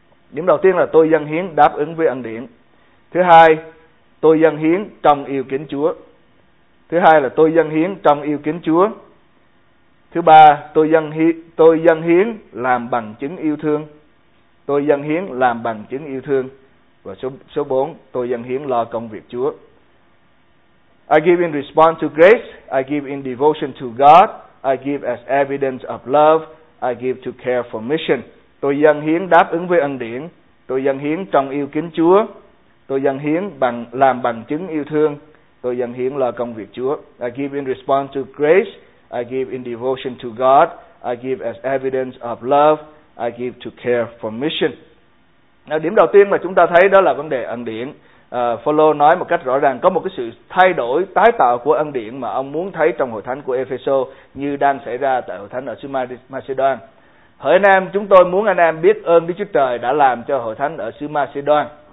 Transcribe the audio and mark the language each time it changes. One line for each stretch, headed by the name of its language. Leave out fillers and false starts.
Vietnamese: Điểm đầu tiên là tôi dâng hiến đáp ứng với ân điển. Thứ hai, tôi dâng hiến trong yêu kính Chúa. Thứ hai là tôi dâng hiến trong yêu kính Chúa. Thứ ba, tôi dâng hiến làm bằng chứng yêu thương. Tôi dâng hiến làm bằng chứng yêu thương. Và số 4, tôi dâng hiến lo công việc Chúa.
English: I give in response to grace. I give in devotion to God. I give as evidence of love. I give to care for mission.
Vietnamese: Tôi dâng hiến đáp ứng với ân điển. Tôi dâng hiến trong yêu kính Chúa. Tôi dâng hiến làm bằng chứng yêu thương. Tôi dâng hiến lo công việc Chúa.
English: I give in response to grace. I give in devotion to God. I give as evidence of love. I give to care for mission.
Vietnamese: Nào, điểm đầu tiên mà chúng ta thấy đó là vấn đề ân điển. Phaolô nói một cách rõ ràng có một cái sự thay đổi, tái tạo của ân điển mà ông muốn thấy trong hội thánh của Ephesos như đang xảy ra tại hội thánh ở xứ Macedon. Hỡi anh em, chúng tôi muốn anh em biết ơn Đức Chúa Trời đã làm cho hội thánh ở xứ Macedon.